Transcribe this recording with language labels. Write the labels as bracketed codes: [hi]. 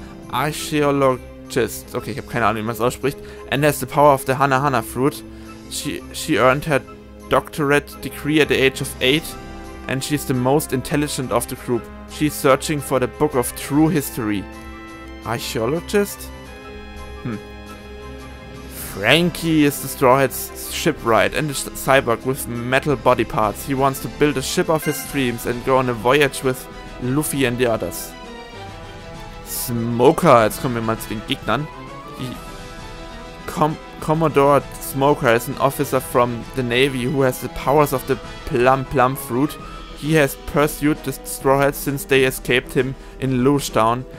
[de] Okay, ich habe keine Ahnung, wie man es ausspricht. [en] And has the power of the Hana Fruit. She earned her doctorate degree at the age of 8 and she's the most intelligent of the group. She's searching for the book of true history. Archaeologist? Frankie is the Straw Hat's shipwright and a cyborg with metal body parts. He wants to build a ship of his dreams and go on a voyage with Luffy and the others. [de] Smoker, jetzt kommen wir mal zu den Gegnern. [en] Commodore Smoker is an officer from the Navy who has the powers of the plum fruit. He has pursued the Straw Hats since they escaped him in Lushtown.